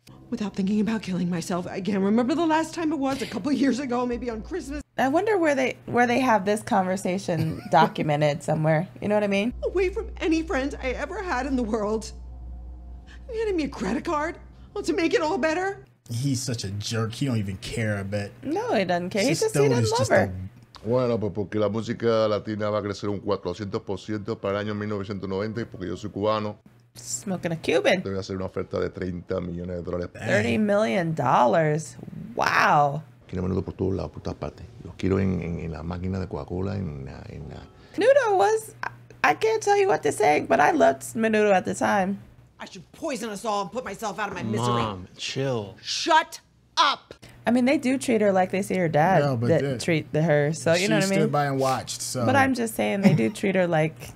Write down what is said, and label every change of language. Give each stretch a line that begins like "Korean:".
English: Without thinking about killing myself, I can't remember the last time it was, a couple years ago, maybe on Christmas. I wonder where they have this conversation documented somewhere, you know what I mean? Away from any friends I ever had in the world. You handed me a credit card to make it all better. He's such a jerk, he don't even care, I bet. No, he doesn't care, he doesn't love her.
Spanish: Bueno, pues porque la música latina va a crecer un 400% para el año 1990, porque yo soy cubano.
English: Smoking a Cuban.
Spanish: Debe hacer una oferta de 30 millones de dólares.
English: $30 million. Wow.
Spanish: Quiero menudo por todos lados, por todas partes. Los quiero en la máquina de Coca-Cola, en la...
English: Menudo was... I can't tell you what to say, but I loved Menudo at the time. I should poison us all and put myself out of my misery. Mom, chill. Shut up! I mean, they do treat her like they see her dad treat her, so you know what I mean? She stood by and watched, so... But I'm just saying, they do treat her like...